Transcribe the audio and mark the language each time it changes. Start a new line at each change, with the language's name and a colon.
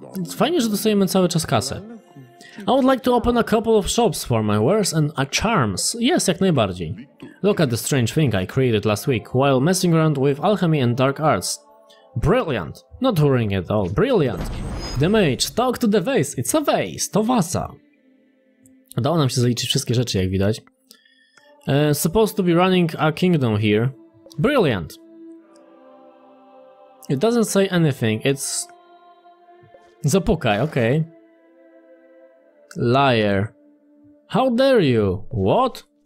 Polish: Fajnie, że dostajemy cały czas kasę.
English: I would like to open a couple of shops for my wares and a charms. Yes,
Polish: jak najbardziej.
English: Look at the strange thing I created last week while messing around with alchemy and dark arts. Brilliant. Not worrying at all. Brilliant. The mage, talk to the vase, it's a vase, to wasa.
Polish: Udało nam się zaliczyć wszystkie rzeczy, jak widać.
English: Supposed to be running a kingdom here. Brilliant. It doesn't say anything, it's...
Polish: Zapukaj, okej.
English: Okay. Liar. How dare you? What?